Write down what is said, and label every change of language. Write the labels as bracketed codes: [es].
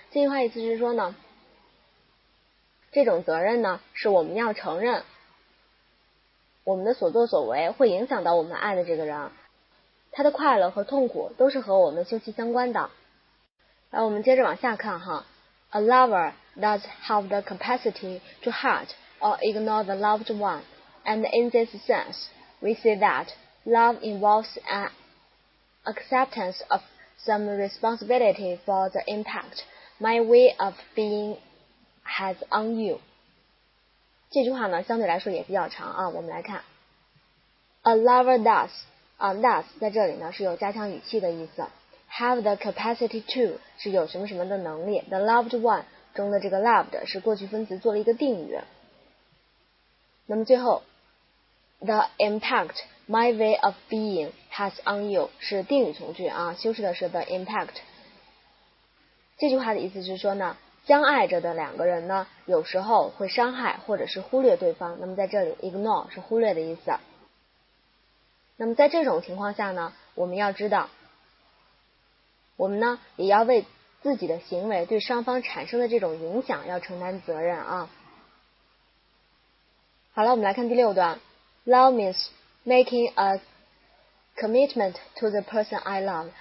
[zh] 这句话意思是说呢，这种责任呢是我们要承认，我们的所作所为会影响到我们爱的这个人，他的快乐和痛苦都是和我们休戚相关的。来，我们接着往下看哈。 [en] A lover does have the capacity to hurt or ignore the loved one, and in this sense, we see that love involves an acceptance of some responsibility for the impact my way of being has on you. [zh] 这句话呢，相对来说也比较长啊，我们来看。 [en] A lover does, [zh] does 在这里呢是有加强语气的意思。 [en] Have the capacity to [zh] 是有什么什么的能力 ， [en] the loved one [zh] 中的这个 loved 是过去分词做了一个定语。那么最后 [en] the impact my way of being has on you [zh] 是定语从句啊，修饰的是 [en] the impact。 [zh] 这句话的意思是说呢，相爱着的两个人呢，有时候会伤害或者是忽略对方，那么在这里 ignore 是忽略的意思。那么在这种情况下呢，我们要知道，我们呢也要为自己的行为对双方产生的这种影响要承担责任啊。好了，我们来看第六段。 [en] Love means making a commitment to the person I love.